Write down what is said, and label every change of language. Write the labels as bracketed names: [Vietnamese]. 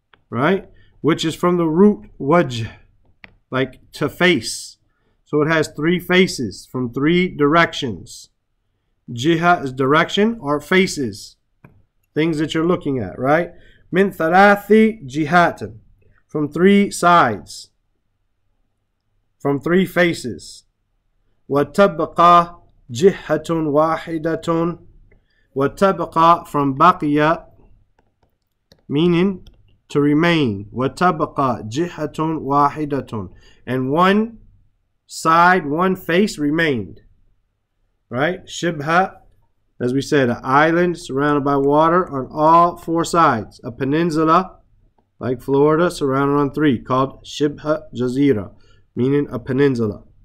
[English] Right? Which is from the root waj, like to face. So it has three faces from three directions. Jiha is direction or faces. Things that you're looking at, right? Min ثلاثي jihat. From three sides. from three faces. [Arabic] وَتَبْقَى جِحَّةٌ وَاحِدَةٌ وَتَبْقَى from بَقِيَ [English] meaning to remain. [Arabic] وَتَبْقَى جِحَّةٌ وَاحِدَةٌ [English] and one side, one face remained. Right? شِبْهَ as we said, an island surrounded by water on all four sides. A peninsula like Florida surrounded on three called شِبْهَ جَزِيرَة meaning a peninsula.